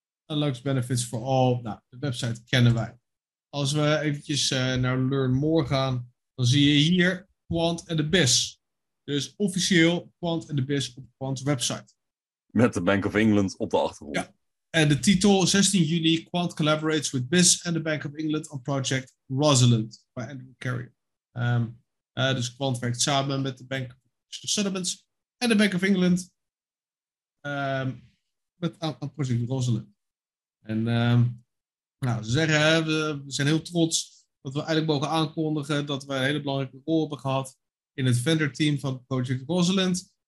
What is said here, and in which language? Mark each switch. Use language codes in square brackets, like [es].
[en] Unlocks benefits for all. [nl] Nou, de website kennen wij. Als we eventjes naar Learn More gaan. Dan zie je hier Quant en de BIS. Dus officieel Quant en de BIS op Quant's website. Met de Bank of England op de achtergrond. Ja. En de titel 16 juni. [en] Quant collaborates with BIS and the Bank of England on Project Rosalind. By Andrew Carrier. [nl] Dus Quant werkt samen met de Bank of Settlements. En de Bank of England. Met aan Project Rosalind. En ze zeggen, we zijn heel trots. Dat we eigenlijk mogen aankondigen dat we een hele belangrijke rol hebben gehad in het vendor team van Project Rosalind.